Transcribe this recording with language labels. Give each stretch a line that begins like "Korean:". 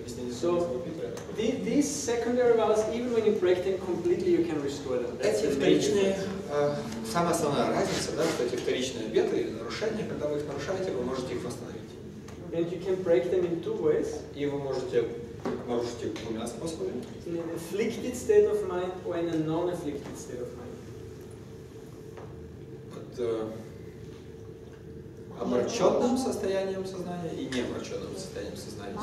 English: So these secondary vows, even when you break them completely, you can restore them.
Russian: Эти вторичные, самая основная разница, да, что эти вторичные обеты или нарушения, когда вы их нарушаете, вы можете их восстановить.
English: And you can break them in two ways.
Russian: И вы можете нарушить их двумя способами.
English: In an afflicted state of mind or in a non-afflicted state of mind.
Russian: Под обращенным состоянием сознания и необращенным состоянием сознания.